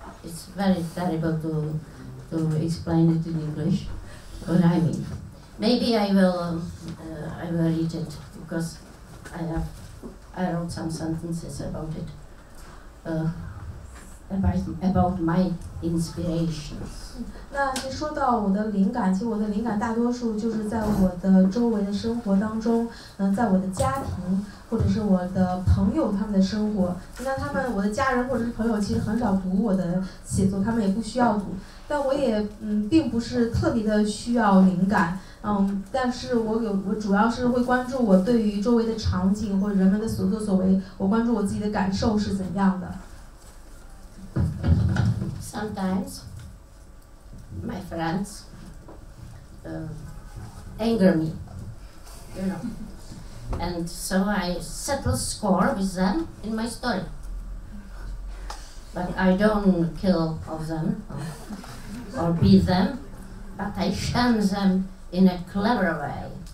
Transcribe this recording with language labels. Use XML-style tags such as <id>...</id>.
<en>It's very terrible to explain it in English, what I mean. Maybe I will read it because I wrote some sentences about it. about my inspirations.</en> <zh>那您说到我的灵感，其实我的灵感大多数就是在我的周围的生活当中，在我的家庭，或者是我的朋友他们的生活。那他们，我的家人或者是朋友，其实很少读我的写作，他们也不需要读。但我也并不是特别的需要灵感，但是我主要是会关注我对于周围的场景或者人们的所作所为，我关注我自己的感受是怎样的。</zh> <en>Sometimes, my friends anger me, you know, and so I settle score with them in my story. But I don't kill of them or beat them, but I shun them in a clever way.</en>